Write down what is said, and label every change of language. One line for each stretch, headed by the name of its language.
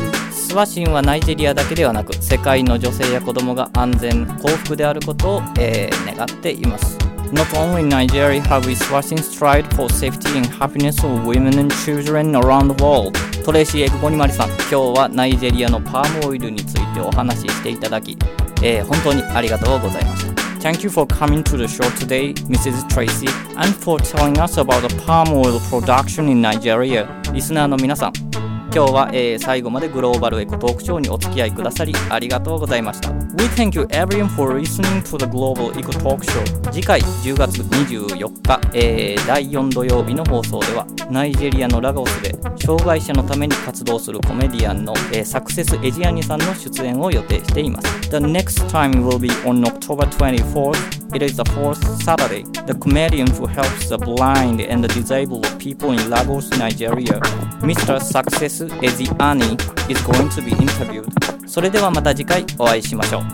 Japanese: スワシンはナイジェリアだけではなく、世界の女性や子供が安全幸福であることを、願っています。
English: Not only in Nigeria have we Swashin strived for safety and happiness of women and children around the world.
Japanese: トレイシー・エグボニマリさん、今日はナイジェリアのパームオイルについてお話ししていただき、本当にありがとうございました。
English: Thank you for coming to the show today, Mrs. Tracy, and for telling us about the palm oil production in Nigeria.
Japanese: リスナーの皆さん、今日は、最後までグローバルエコトークショーにお付き合いくださりありがとうございました。
English: We thank you everyone for listening to the Global Eco Talk Show.
Japanese: 次回10月24日、第4土曜日の放送では、ナイジェリアのラゴスで障害者のために活動するコメディアンの、サクセスエジアニさんの出演を予定しています。
English: The next time will be on October 24th. It is the fourth Saturday. The comedian who helps the blind and the disabled people in Lagos, Nigeria, Mr. Success Ezeani, is going to be interviewed.
Japanese: それではまた次回お会いしましょう。